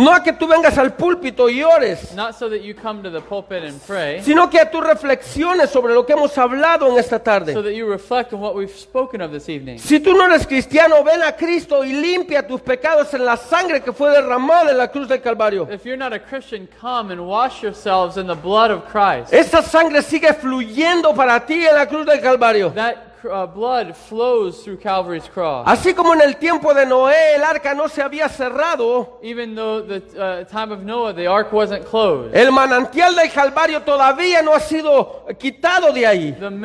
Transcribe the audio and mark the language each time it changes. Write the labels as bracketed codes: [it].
[es] No a que tú vengas al púlpito y ores. [en] Not so that you come to the pulpit and pray. [es] Sino que tú reflexiones sobre lo que hemos hablado en esta tarde. [en] So that you reflect on what we've spoken of this evening. [es] Si tú no eres cristiano, ven a Cristo y limpia tus pecados en la sangre que fue derramada en la cruz del Calvario. [en] If you're not a Christian, come and wash yourselves in the blood of Christ. [es] Esa sangre sigue fluyendo para ti en la cruz del Calvario. [en] That blood flows through Calvary's cross. [es] Así como en el tiempo de Noé el arca no se había cerrado. [en] Even though the time of Noah the ark wasn't closed. [es] El manantial del Calvario todavía no ha sido quitado de ahí.